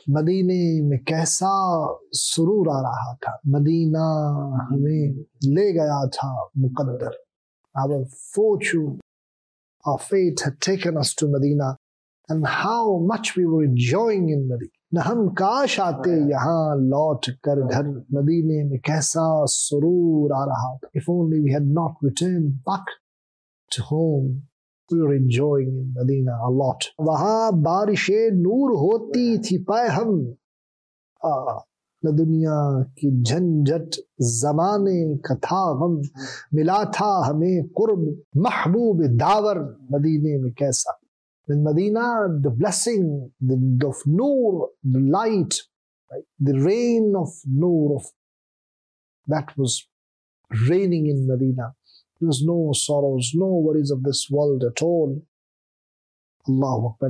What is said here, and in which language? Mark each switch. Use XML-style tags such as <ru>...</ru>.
<ur>مدینے میں کیسا سرور آ رہا تھا, مدینہ ہمیں لے گیا تھا مقدر.</ur> <en>Our fortune, our fate had taken us to Medina, and how much we were enjoying in Medina.</en> <ur>ہم کاش آتے یہاں لوٹ کر گھر, مدینے میں کیسا سرور آ رہا تھا.</ur> <en>If only we had not returned back to home, we were enjoying in Medina a lot.</en> <ur>وہاں بارش نور ہوتی تھی پائے ہم, نہ دنیا کی جھنجھٹ زمانے کا تھا غم, ملا تھا ہمیں قرب محبوب داور مدینے میں کیسا.</ur> <en>In Medina, the blessing, the of noor, the light, the rain of noor, of that was raining in Medina. There was no sorrows, no worries of this world at all. Allahu Akbar.</en>